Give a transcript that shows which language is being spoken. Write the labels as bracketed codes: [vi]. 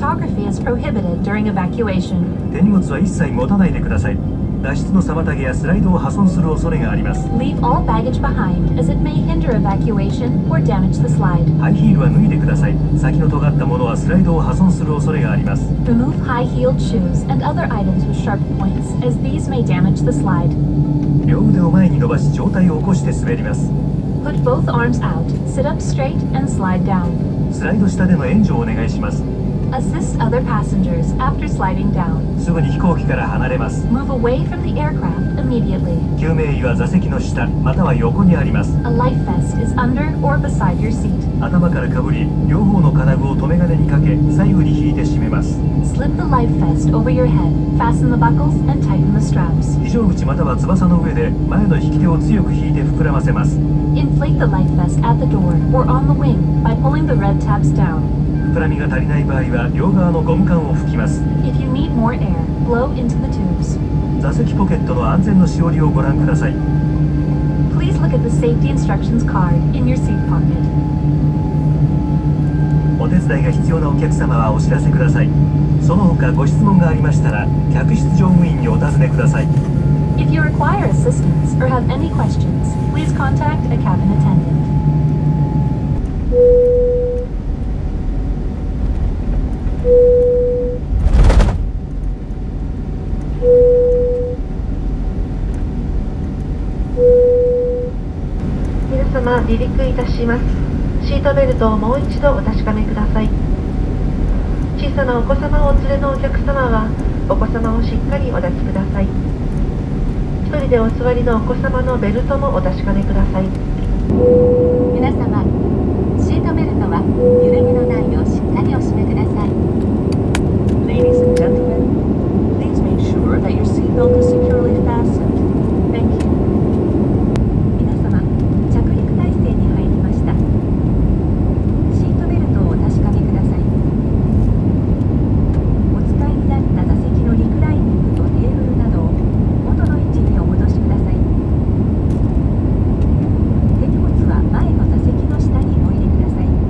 [ja] 手荷物は一切持たないでください。脱出の妨げやスライドを破損する恐れがあります。 [en] Leave all baggage behind as it may hinder evacuation or damage the slide. [ja] ハイヒールは脱いでください。先の尖ったものはスライドを破損する恐れがあります。 [en] Remove high-heeled shoes and other items with sharp points as these may damage the slide. [ja] 両腕を前に伸ばし上体を起こして滑ります。 [en] Put both arms out, sit up straight and slide down. [ja] スライド下での援助をお願いします。 [en] Assist other passengers after sliding down. [ja] すぐに飛行機から離れます。 [en] Move away from the aircraft immediately. [ja] 救命衣は座席の下または横にあります。 [en] A life vest is under or beside your seat. [ja] 頭からかぶり、両方の金具を留め金にかけ、左右に引いて締めます。 [en] Slip the life vest over your head, fasten the buckles and tighten the straps. [ja] 非常口または翼の上で前の引き手を強く引いて膨らませます。 [en] Inflate the life vest at the door or on the wing by pulling the red tabs down. [ja] 膨らみが足りない場合は両側のゴム管を吹きます。 [en] If you need more air, blow into the tubes. [ja] 座席ポケットの安全のしおりをご覧ください。 [en] Please look at the safety instructions card in your seat pocket. [ja] お手伝いが必要なお客様はお知らせください。その他ご質問がありましたら客室乗務員にお尋ねください。 [en] If you require assistance or have any questions, please contact a cabin attendant. [ja] 皆様、離陸いたします。シートベルトをもう一度お確かめください。小さなお子様をお連れのお客様はお子様をしっかりお抱きください。一人でお座りのお子様のベルトもお確かめください。皆様、シートベルトは緩みのないようしっかりお締めください。 [en] Ladies and gentlemen, please make sure that your seatbelt is securely fastened. Thank you. [ja] 皆様、着陸態勢に入りました。シートベルトをお確かめください。お使いになった座席のリクライニングとテーブルなどを元の位置にお戻しください。手荷物は前の座席の下に置いてください。